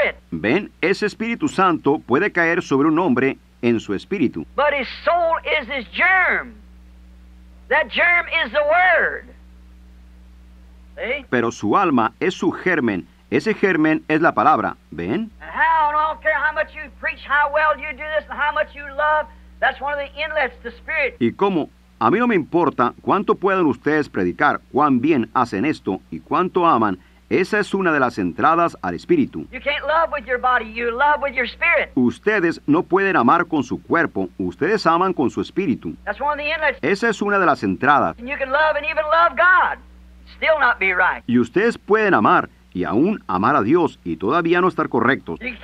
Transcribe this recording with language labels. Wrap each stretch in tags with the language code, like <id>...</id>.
<es>Ven, ese Espíritu Santo puede caer sobre un hombre en su espíritu.</es> <en>But his soul is his germ. That germ is the word. See?</en> <es>Pero su alma es su germen. Ese germen es la palabra, ¿ven?</es> <en>And how, and I don't care how much you preach, how well you do this, and how much you love, that's one of the inlets, the spirit.</en> <es>Y cómo, a mí no me importa cuánto pueden ustedes predicar, cuán bien hacen esto, y cuánto aman, esa es una de las entradas al espíritu.</es> <en>You can't love with your body, you love with your spirit.</en> <es>Ustedes no pueden amar con su cuerpo, ustedes aman con su espíritu.</es> <en>That's one of the inlets.</en> <es>Esa es una de las entradas.</es> <en>And you can love and even love God, still not be right.</en> <es>Y ustedes pueden amar, y aún amar a Dios y todavía no estar correctos.</es>